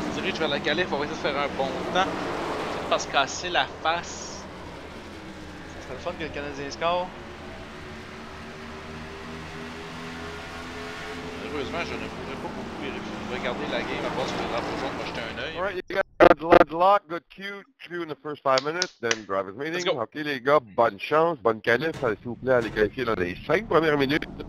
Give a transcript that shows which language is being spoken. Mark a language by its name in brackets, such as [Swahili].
[French] Je vais la caler, il faut essayer de faire un bon temps. C'est pas se casser la face. Ça serait le fun que le Canadien score. Heureusement, je ne pourrais pas beaucoup regarder la game à part sur le drapeau jaune pour jeter un œil. [English] Lock, good Q in the first 5 minutes, then driver's meeting. Let's go. [French] Okay, les gars, bonne chance, bonne qualif, s'il vous plaît, allez qualifier dans les 5 premières minutes.